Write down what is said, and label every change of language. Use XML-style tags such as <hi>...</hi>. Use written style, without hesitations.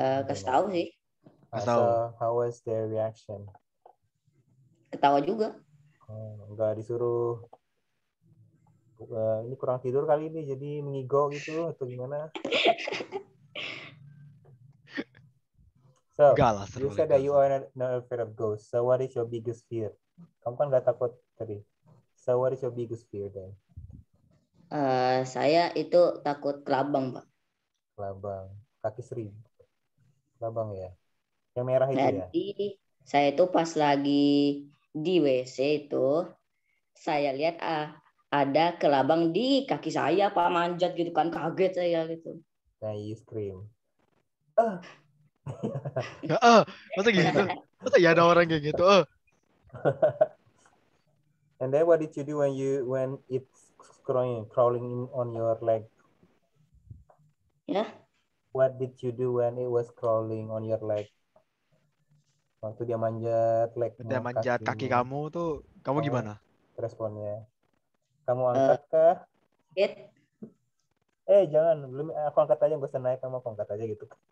<id>Kasih tahu sih.</id> <en>So, how was their reaction?</en> <id>Ketawa juga. Enggak disuruh. Ini kurang tidur kali ini, jadi mengigo gitu atau gimana?</id> <en>So, you said that you are not afraid of ghosts. So, what is your biggest fear?</en> <id>Kamu kan enggak takut tadi.</id> <en>So, what is your biggest fear then?</en> <id>Saya itu takut kelabang, Pak. Kelabang. Kaki seribu. Kelabang ya. Yang merah itu. Jadi, ya? Saya itu pas lagi di WC itu, saya lihat ada kelabang di kaki saya, Pak, manjat gitu kan, kaget saya gitu.</id> <en>Nah, you scream.</en> <id>Masa gitu? Masa ya ada orang kayak gitu?</id> <en>And then what did you do when you when it's crawling on your leg? Yeah. What did you do when it was crawling on your leg?</en> <id>Waktu dia manjat leg, dia manjat kaki kamu tuh, kamu gimana? Responnya, kamu angkat kah?</id> <en>Hit.</en> <id>Eh jangan, belum, aku angkat aja, gak usah naik, kamu angkat aja gitu.</id>